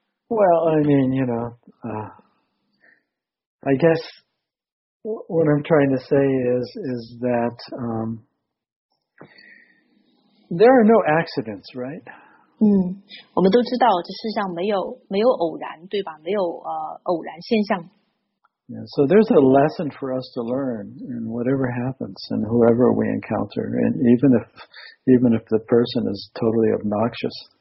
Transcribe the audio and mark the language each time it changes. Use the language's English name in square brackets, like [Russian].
[English] Well, I mean, you know, I guess... What I'm trying to say is that there are no accidents, right? [Chinese] 我们都知道这世上没有偶然，对吧？没有偶然现象。 [English] Yeah, so there's a lesson for us to learn in whatever happens and whoever we encounter, and even if the person is totally obnoxious.